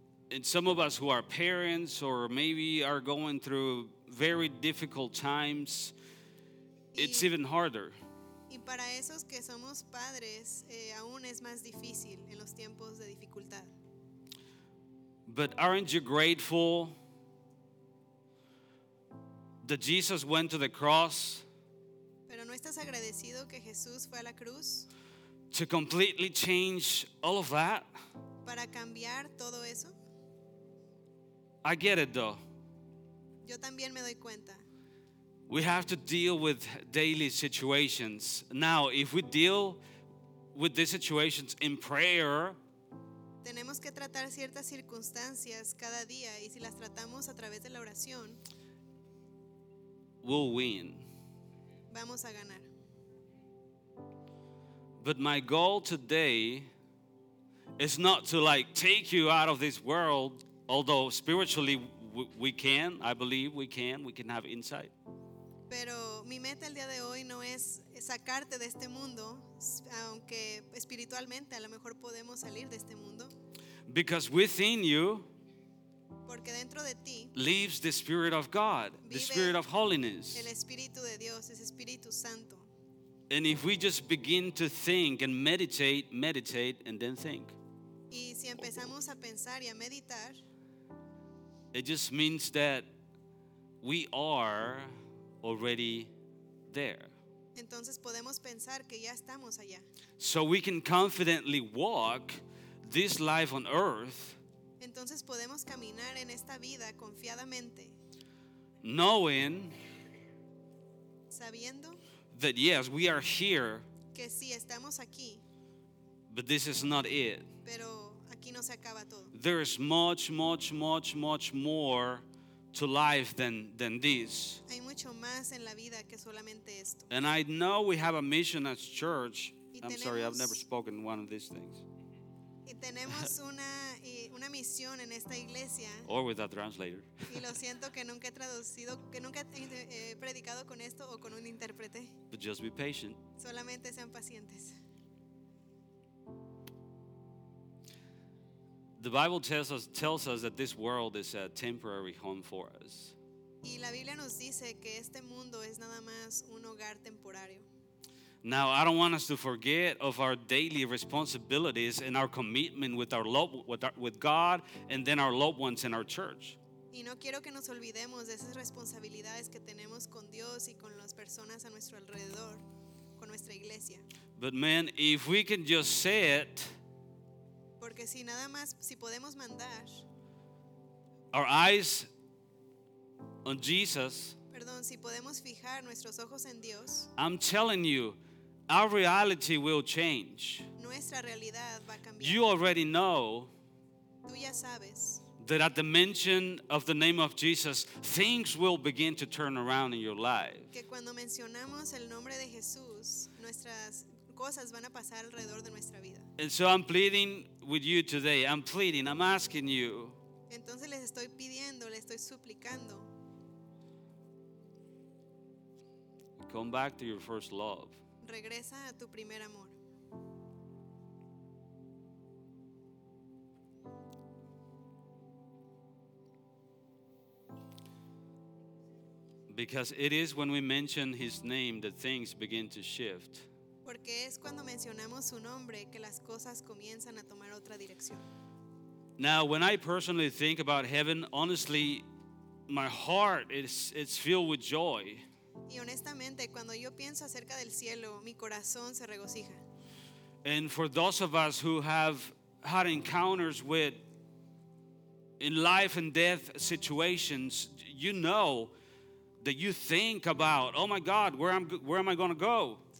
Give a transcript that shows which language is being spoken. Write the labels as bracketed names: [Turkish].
[English] And some of us who are parents or maybe are going through very difficult times, it's even harder. [Spanish] Y para esos que somos padres, aún es más difícil en los tiempos de dificultad. [English] But aren't you grateful that Jesus went to the cross? [Spanish] Pero ¿no estás agradecido que Jesús fue a la cruz? [English] To completely change all of that? [Spanish] Para cambiar todo eso? [English] I get it though. [Spanish] Yo también me doy cuenta. [English] We have to deal with daily situations. Now, if we deal with these situations in prayer, [Spanish] tenemos que tratar ciertas circunstancias cada día, y si las tratamos a través de la oración, [English] we'll win. [Spanish] Vamos a ganar. [English] But my goal today is not to like take you out of this world, although spiritually we can, I believe we can have insight. [Spanish] Pero mi meta el día de hoy no es sacarte de este mundo, aunque espiritualmente a lo mejor podemos salir de este mundo. [English] Because within you, [Spanish] porque dentro de ti, [English] lives the Spirit of God, the Spirit of holiness. [Spanish] El Espíritu de Dios, ese Espíritu Santo. [English] And if we just begin to think and meditate and then think. [Spanish] Y si empezamos a pensar y a meditar, [English] it just means that we are already there. [Spanish] Entonces podemos pensar que ya estamos allá. [English] So we can confidently walk this life on earth. [Spanish] Entonces podemos caminar en esta vida confiadamente. [English] Knowing, [Spanish] sabiendo, [English] that yes, we are here. [Spanish] Que sí, estamos aquí. [English] But this is not it. [Spanish] Pero aquí no se acaba todo. [English] There is much, much, much, much more to life than this. [Spanish] Hay mucho más en la vida que solamente esto. [English] And I know we have a mission as church. I'm sorry, I've never spoken one of these things. [Spanish] Y tenemos una misión en esta iglesia. [English] Or with a translator. [Spanish] Y lo siento que nunca he traducido, que nunca he predicado con esto o con un intérprete. [English] But just be patient. [Spanish] Solamente sean pacientes. [English] The Bible tells us that this world is a temporary home for us. [Spanish] Y la Biblia nos dice que este mundo es nada más un hogar temporario. [English] Now, I don't want us to forget of our daily responsibilities and our commitment with God and then our loved ones in our church. [Spanish] Y no quiero que nos olvidemos de esas responsabilidades que tenemos con Dios y con las personas a nuestro alrededor, con nuestra iglesia. [English] But man, if we can just say it, [Spanish] porque si nada más, si podemos mandar [English] our eyes on Jesus, [Spanish] perdón, si podemos fijar nuestros ojos en Dios, [English] I'm telling you, our reality will change. [Spanish] Nuestra realidad va a cambiar. [English] You already know, [Spanish] tú ya sabes, [English] that at the mention of the name of Jesus, things will begin to turn around in your life. [Spanish] Que cuando mencionamos el nombre de Jesús, nuestras cosas van a pasar alrededor de nuestra vida. [English] And so I'm pleading with you today. I'm pleading, I'm asking you. [Spanish] Entonces les estoy pidiendo, les estoy suplicando. [English] Come back to your first love. [Spanish] Regresa a tu primer amor. [English] Because it is when we mention his name that things begin to shift. [Spanish] Porque es cuando mencionamos su nombre que las cosas comienzan a tomar otra dirección. [English] Now, when I personally think about heaven, honestly, my heart is filled with joy. [Spanish] Y honestamente, cuando yo pienso acerca del cielo, mi corazón se regocija. [English] And for those of us who have had encounters with in life and death situations, you know that you think about, oh my God, where am I going to go?